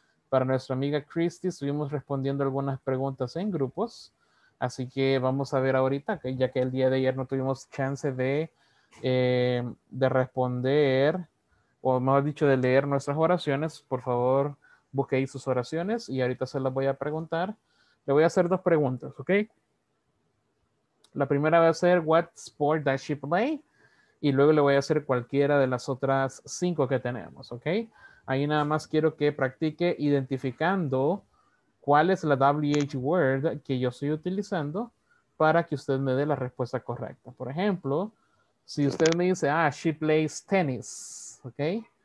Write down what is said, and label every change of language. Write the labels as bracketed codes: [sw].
[es] Para nuestra amiga Christy estuvimos respondiendo algunas preguntas en grupos, así que vamos a ver ahorita, ¿okay? Ya que el día de ayer no tuvimos chance de responder, o mejor dicho, de leer nuestras oraciones. Por favor, busque ahí sus oraciones y ahorita se las voy a preguntar. Le voy a hacer dos preguntas, ¿ok? La primera va a ser, [en] what sport does she play? [es] Y luego le voy a hacer cualquiera de las otras cinco que tenemos, ¿ok? Ahí nada más quiero que practique identificando cuál es la WH word que yo estoy utilizando para que usted me dé la respuesta correcta. Por ejemplo, si usted me dice, ah, [en] she plays tennis, [es] ¿ok?